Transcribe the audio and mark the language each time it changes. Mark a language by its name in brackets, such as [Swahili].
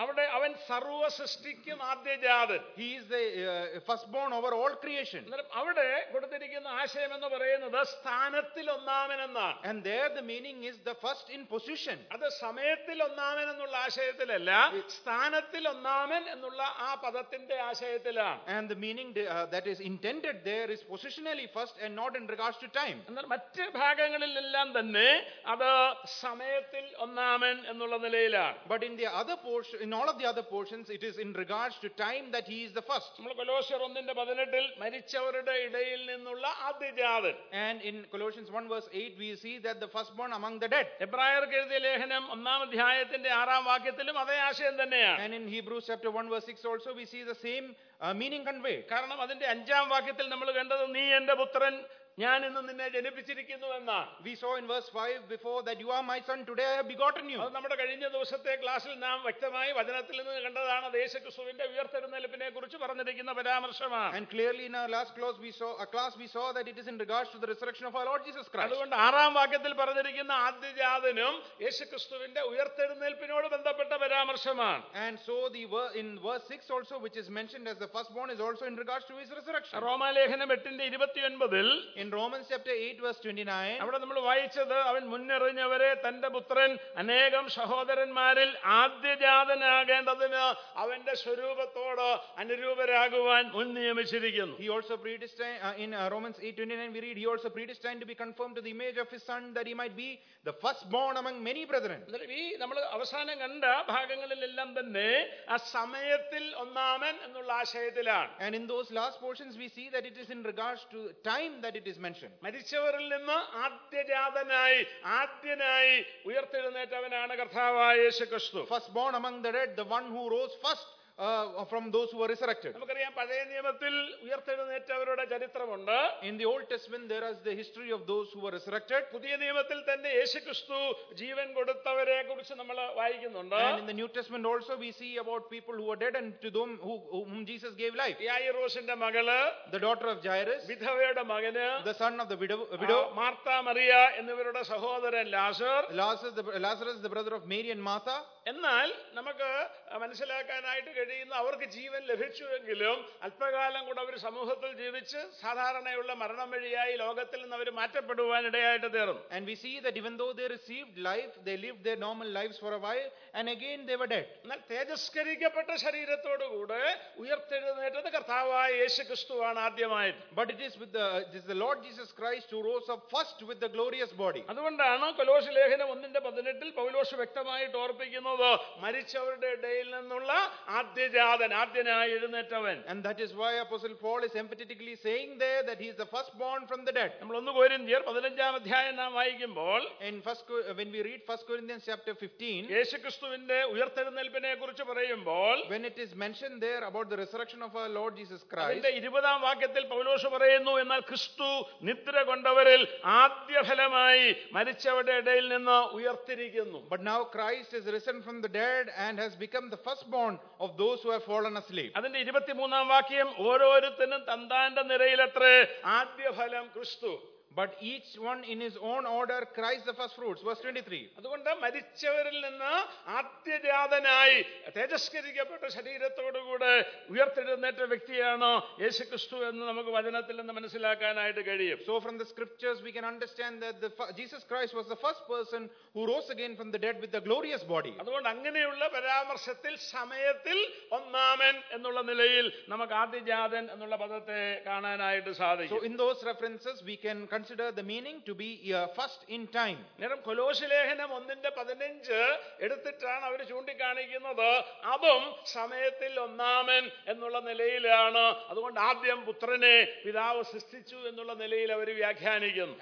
[Malayalam] അവിടെ അവൻ സർവ സൃഷ്ടിക്കും ആദ്യജാതൻ. [English] He is the firstborn over all creation. [Malayalam] അവിടെ കൊടുത്തിരിക്കുന്ന ആശയം എന്ന് പറയുന്നത് സ്ഥാനത്തിൽ ഒന്നാമൻ എന്നാണ്. [English] And there the meaning is the first in position. [Malayalam] അത് സമയത്തിൽ ഒന്നാമൻ എന്നുള്ള ആശയത്തിലല്ല, സ്ഥാനത്തിൽ ഒന്നാമൻ എന്നുള്ള ആ പദത്തിന്റെ ആശയത്തിലാണ്. [English] And the meaning that is intended there is positionally first and not in regards to time. [Malayalam] മറ്റ് ഭാഗങ്ങളിലെല്ലാം തന്നെ അത് സമയത്തിൽ ഒന്നാമൻ എന്നുള്ള നിലയിലാണ്. [English] But in the other portion, in all of the other portions, it is in regards to time that he is the first. [Malayalam] നമ്മൾ കൊലോസ്യർ 1:18 മരിച്ചവരുടെ ഇടയിൽ നിന്നുള്ള ആദ്യജാതൻ. [English] And in Colossians 1:8 we see that the firstborn among the dead. [Malayalam] എബ്രായർക്ക് എഴുതിയ ലേഖനം 1:6 അതേ ആശയം തന്നെയാണ്. [English] And in Hebrews 1:6 also we see the same meaning conveyed. [Malayalam] കാരണം അതിന്റെ 5 നമ്മൾ കണ്ടത് നീ എന്റെ പുത്രൻ ഞാൻ ഇന്ന് നിന്നെ ജനിപ്പിച്ചിരിക്കുന്നു എന്നാണ്. [English] We saw in verse 5 before that you are my son, today I have begotten you. [Malayalam] അത് നമ്മുടെ കഴിഞ്ഞ ദിവസത്തെ ക്ലാസ്സിൽ നാം വ്യക്തമായി വചനത്തിൽ നിന്ന് കണ്ടതാണ്, യേശുക്രിസ്തുവിന്റെ ഉയർത്തെഴുന്നേൽപ്പിനെ കുറിച്ച് പറഞ്ഞിരിക്കുന്ന പരാമർശമാണ്. [English] And clearly in our last class we saw that it is in regards to the resurrection of our Lord Jesus Christ. [Malayalam] അതുകൊണ്ട് 6 പറഞ്ഞിരിക്കുന്ന ആദ്യജാതനും യേശുക്രിസ്തുവിന്റെ ഉയർത്തെഴുന്നേൽപ്പിനോട് ബന്ധപ്പെട്ട പരാമർശമാണ്. [English] And so in verse 6 also, which is mentioned as the firstborn, is also in regards to his resurrection. [Malayalam] റോമാലേഖനം 8:29 [English] In Romans 8:29 [Malayalam] അവിടെ നമ്മൾ വായിച്ചത് അവൻ മുന്നറിഞ്ഞവരെ തന്റെ പുത്രൻ അനേകം സഹോദരന്മാരിൽ ആദ്യജാതനാകേണ്ടതിന് അവന്റെ സ്വരൂപത്തോട് അനുരൂപരാകുവാൻ മുൻ നിയമിച്ചിരിക്കുന്നു. [English] He also predestined in Romans 8:29 we read, he also predestined to be conformed to the image of his son that he might be the first born among many brethren. [Malayalam] നമ്മൾ അവസാനം കണ്ട ഭാഗങ്ങളിലെല്ലാം തന്നെ ആ സമയത്തിൽ ഒന്നാമൻ എന്നുള്ള ആശയത്തിലാണ്. [English] And in those last portions we see that it is in regards to time that it is mentioned. [Malayalam] മരിച്ചവരിൽ നിന്ന് ആദ്യജാതനായി ആദ്യനായി ഉയർത്തെഴുന്നേറ്റവനാണ് കർത്താവായ യേശുക്രിസ്തു. [English] First born among the dead, the one who rose first from those who were resurrected. [Malayalam] നമുക്കറിയാം പഴയ നിയമത്തിൽ ഉയർത്തെഴുന്നേറ്റവരുടെ ചരിത്രമുണ്ട്. [English] In the Old Testament there is the history of those who were resurrected. [Malayalam] പുതിയ നിയമത്തിൽ തന്നെ യേശുക്രിസ്തു ജീവൻ കൊടുത്തവരെ കുറിച്ച് നമ്മൾ വായിക്കുന്നുണ്ട്. [English] And in the New Testament also we see about people who were dead and to them whom Jesus gave life. [Malayalam] യായിറോസിന്റെ മകള്, [English] the daughter of Jairus, [Malayalam] വിധവയുടെ മകന്, [English] the son of the widow, [Malayalam] Martha Mariya എന്നിവരുടെ സഹോദരൻ ലാസർ, [English] Lazarus the brother of Mary and Martha. [Malayalam] എന്നാൽ നമുക്ക് മനസ്സിലാക്കാനായിട്ട് കഴിയുന്ന അവർക്ക് ജീവൻ ലഭിച്ചുവെങ്കിലും അല്പകാലം കൂടെ അവർ സമൂഹത്തിൽ ജീവിച്ച് സാധാരണയുള്ള മരണം വഴിയായി ലോകത്തിൽ നിന്ന് അവർ മാറ്റപ്പെടുവാൻ ഇടയായിട്ട് തീർന്നു. [English] And we see that even though they received life, they lived their normal lives for a while and again they were dead. [Malayalam] എന്നാൽ തേജസ്കരിക്കപ്പെട്ട ശരീരത്തോടു കൂടെ ഉയർത്തെഴുന്നേറ്റത് കർത്താവായ യേശുക്രിസ്തുവാണ് ആദ്യമായിട്ട്. [English] But it is the Lord Jesus Christ who rose up first with the glorious body. [Malayalam] അതുകൊണ്ടാണ് കൊലോസ്യ ലേഖനം 1:18 പൗലോസ് വ്യക്തമായിട്ട് ഓർപ്പിക്കുന്നത്, മരിച്ചവരുടെ ഇടയിൽ നിന്നുള്ള ആദ്യജാതൻ, ആദ്യനായി എഴുന്നേറ്റവൻ. [English] And that is why apostle Paul is emphatically saying there that he is the firstborn from the dead. [Malayalam] നമ്മൾ 1 കൊരിന്ത്യർ 15 നാം വായിക്കുമ്പോൾ, [English] when we read 1 Corinthians chapter 15, [Malayalam] യേശുക്രിസ്തുവിന്റെ ഉയർത്തെഴുന്നേൽപ്പിനെക്കുറിച്ച് പറയുമ്പോൾ, [English] when it is mentioned there about the resurrection of our Lord Jesus Christ, [Malayalam] അതിന്റെ 20-ാം വാക്യത്തിൽ പൗലോസ് പറയുന്നു, എന്നാൽ ക്രിസ്തു നിദ്ര കൊണ്ടവരിൽ ആദ്യഫലമായി മരിച്ചവരുടെ ഇടയിൽ നിന്ന് ഉയർത്തിരിക്കുന്നു. [English] But now Christ is risen from the dead and has become the firstborn of those who have fallen asleep. [Malayalam] അതിന്റെ 23-ാം വാക്യം, ഓരോരുത്തനും തന്താന്റെ നിരയിലത്രേ ആദ്യഫലം ക്രിസ്തു. [English] But each one in his own order, Christ the first fruits. Verse 23. [Malayalam] അതുകൊണ്ട് മരിച്ചവരിൽ നിന്ന് ആദ്യജാതനായി തേജസ്കരിക്കപ്പെട്ട ശരീരത്തോടു കൂടെ ഉയർത്തെഴുന്നേറ്റ വ്യക്തിയാണ് യേശുക്രിസ്തു എന്ന് നമുക്ക് വചനത്തിൽ നിന്ന് മനസ്സിലാക്കാനായിട്ട് കഴിയും. [English] So from the scriptures we can understand that Jesus Christ was the first person who rose again from the dead with the glorious body. [Malayalam] അതുകൊണ്ട് അങ്ങനെയുള്ള പരാമർശത്തിൽ സമയത്തിൽ ഒന്നാമൻ എന്നുള്ള നിലയിൽ നമുക്ക് ആദ്യജാതൻ എന്നുള്ള പദത്തെ കാണാനായിട്ട് സാധിക്കും. [English] So in those references we can consider the meaning to be first in time. [Malayalam] നേരം കൊലോസ്യലേഖനം 1:15 എടുത്തിട്ടാണ് അവർ ചൂണ്ടിക്കാണിക്കുന്നത്, അതും സമയത്തിൽ ഒന്നാമൻ എന്നുള്ള നിലയിലാണ്. അതുകൊണ്ട് ആദ്യം പുത്രനെ പിതാവ് സൃഷ്ടിച്ചു എന്നുള്ള നിലയിൽ അവർ വ്യാഖ്യാനിക്കുന്നു.